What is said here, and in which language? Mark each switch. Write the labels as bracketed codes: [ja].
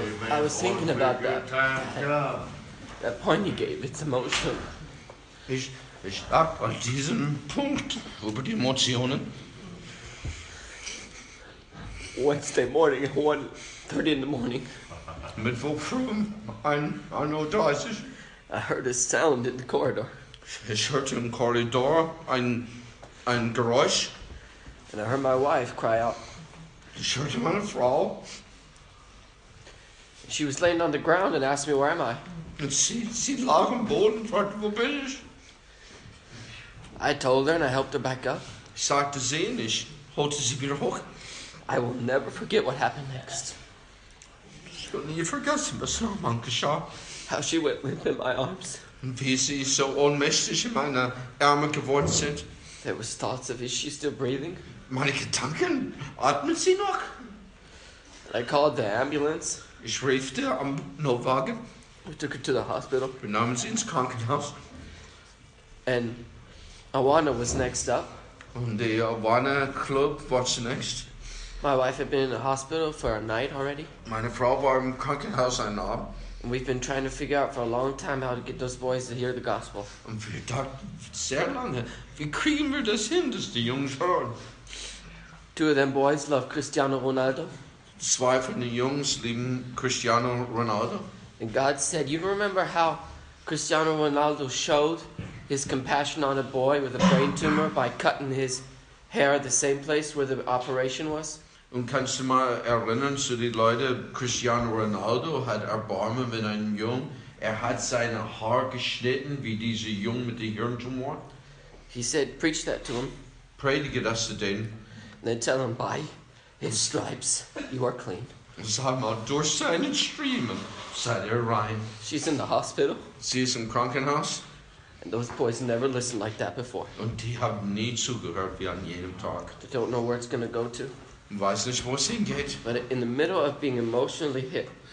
[en] I was thinking about that point you gave. It's emotional. [de] Ich dachte an diesen Punkt über die Emotionen. [en] Wednesday morning, 1:30 in the morning. [de] Mittwoch früh, 1:30. [en] I heard a sound in the corridor. [de] Ich hörte im Korridor ein Geräusch. [en] And I heard my wife cry out. [de] Ich hörte meine Frau. [en] She was laying on the ground and asked me, where am I? [de] And sie lag am Boden und fragte, wo bin ich? [en] I told her and I helped her back up. [de] Ich sagte sie und ich holte sie wieder hoch. [en] I will never forget what happened next. [de] Ich will nie vergessen, was nochmal geschah. [en] How she went limp in my arms. [de] Und wie sie so ohnmächtig in meine Arme geworden sind. [en] There was thoughts of, is she still breathing? [de] Meine Gedanken, atmet sie noch? [en] I called the ambulance. [de] Ich rief der Notwagen. [en] We took her to the hospital. [de] Wir nahmen sie ins Krankenhaus. [en] And Awana was next up. [de] Und die Awana Club war zunächst. [en] My wife had been in the hospital for a night already. [de] Meine Frau war im Krankenhaus einen Abend. [en] And we've been trying to figure out for a long time how to get those boys to hear the gospel. [de] Und wir dachten sehr lange, wie kriegen wir das hin, dass die Jungs hören? [en] Two of them boys love Cristiano Ronaldo. [de] Zwei von den Jungs lieben Cristiano Ronaldo. [en] And God said, you remember how Cristiano Ronaldo showed his compassion on a boy with a brain tumor by cutting his hair at the same place where the operation was? [de] Und kannst du mal erinnern zu die Leute, Cristiano Ronaldo hat Erbarmen mit einem Jungen. Er hat seine Haare geschnitten wie dieser Junge mit dem Hirntumor. [en] He said, preach that to him. [de] Predige das zu denen. [en] And then tell him, bye. His stripes, you are clean. [de] Sag mal, durch seinen Striemen, seid ihr rein. [en] She's in the hospital. [de] Sie ist im Krankenhaus. [en] And those boys never listened like that before. [de] Und die haben nie zugehört wie an jedem Tag. [en] They don't know where it's going to go to. [de] Weiß nicht, wo es hingeht. [en] But in the middle of being emotionally hit.